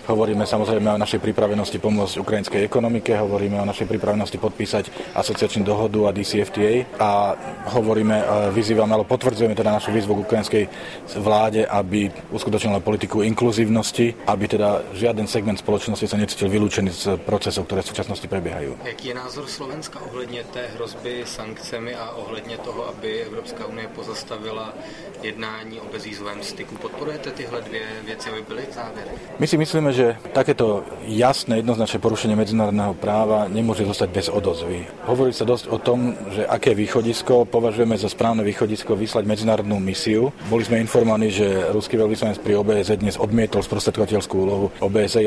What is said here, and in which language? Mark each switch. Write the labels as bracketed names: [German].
[Slovak] Hovoríme samozrejme o našej pripravenosti pomôcť ukrajinskej ekonomike, hovoríme o našej pripravenosti podpísať asociačnú dohodu a DCFTA a hovoríme, vyzývame, ale potvrdzujeme teda našu výzvu k ukrajinskej vláde, aby uskutočnila politiku inkluzívnosti, aby teda žiaden segment spoločnosti sa necítil vylúčený z procesov, ktoré v súčasnosti prebiehajú. Aký je názor Slovenska ohľadne tej hrozby sankciami a ohľadne toho, aby [Czech] Evropská unie pozastavila jednání o bezvízovém styku. Podporujete tyhle dvě věci, aby byly závěry? [Slovak] My si myslíme, že takéto jasné, jednoznačné porušenie medzinárodného práva nemôže zostať bez odozvy. Hovorí sa dosť o tom, že aké východisko považujeme za správne východisko vyslať medzinárodnú misiu. Boli sme informovaní, že ruský veľvyslanec pri OBSE dnes odmietol sprostredkovateľskú úlohu OBSE.